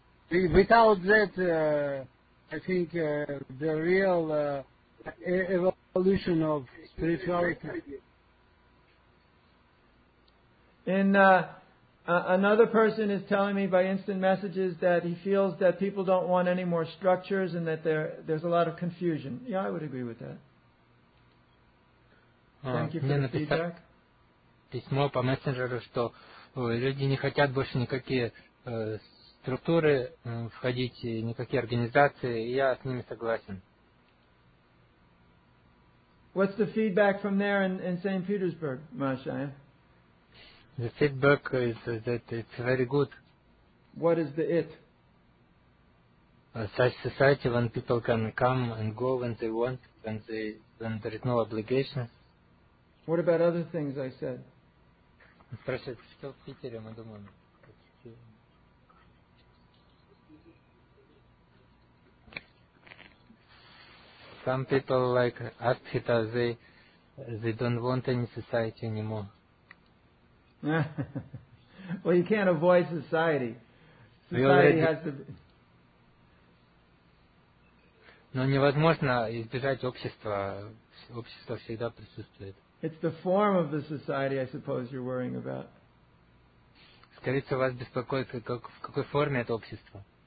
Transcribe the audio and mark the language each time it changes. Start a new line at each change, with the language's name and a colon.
English: Without that, I think the real evolution of spirituality. And another person is telling me by instant messages that he feels that people don't want any more structures and that there's a lot of confusion. Yeah, I would agree with that. Thank you for the feedback.
Russian: Письмо по мессенджеру, что люди не хотят больше никакие структуры входить, никакие организации. Я с ними согласен.
English: What's the feedback from there in St. Petersburg, Mahashaya? The feedback is that it's very good. What is the it? Such society when people can come and go when they want, when there is no obligation. What about other things I said?
Russian: Спрашивает, что в Питере, мы думаем.
English: Some people like Astrita, they don't want any society anymore. Well, you can't avoid society. Society has to be...
Russian: Но невозможно избежать общества. Общество всегда присутствует.
English: It's the form of the society, I suppose, you're worrying about.
Russian: Скорее всего, вас беспокоит, в какой форме это общество.